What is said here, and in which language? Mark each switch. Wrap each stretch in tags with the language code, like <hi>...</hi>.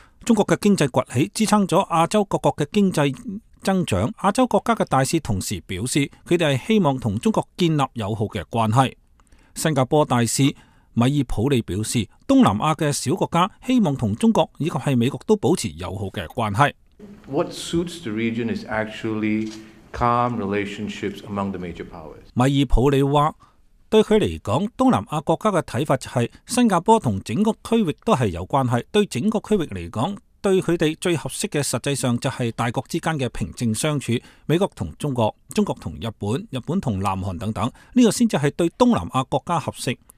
<zh>中国的经济崛起支撑了亚洲各国的经济增长，亚洲国家的大使同时表示，他们是希望与中国建立友好的关系。新加坡大使米尔普里表示，东南亚的小国家希望与中国以及是美国都保持友好的关系。</zh> <en>What suits the region is actually calm relationships among the major powers.</en> <zh>米尔普里说，对他来说，东南亚国家的看法就是新加坡和整个区域都是有关系，对整个区域来说，对他们最合适的实际上就是大国之间的平静相处，美国和中国、中国和日本、日本和南韩等等，这个才是对东南亚国家合适。</zh>